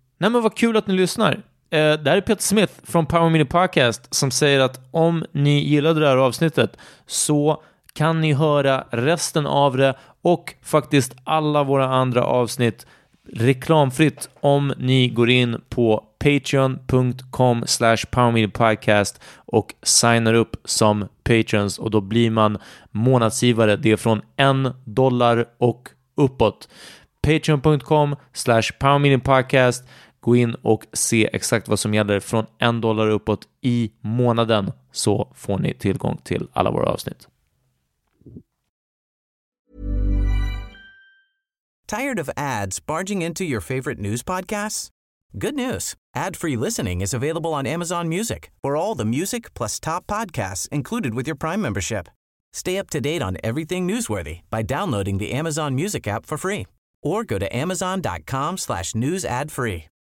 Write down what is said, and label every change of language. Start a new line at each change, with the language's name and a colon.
Swedish: Nej, men vad kul att ni lyssnar. Det här är Peter Smith från Power Mini Podcast som säger att om ni gillade det här avsnittet så kan ni höra resten av det och faktiskt alla våra andra avsnitt reklamfritt om ni går in på patreon.com/powermediapodcast och signar upp som patrons, och då blir man månadsgivare. Det är från $1 och uppåt. patreon.com/powermediapodcast. Gå in och se exakt vad som gäller från $1 uppåt i månaden, så får ni tillgång till alla våra avsnitt.
English: Tired of ads barging into your favorite news podcasts? Good news. Ad-free listening is available on Amazon Music for all the music plus top podcasts included with your Prime membership. Stay up to date on everything newsworthy by downloading the Amazon Music app for free or go to amazon.com/newsadfree.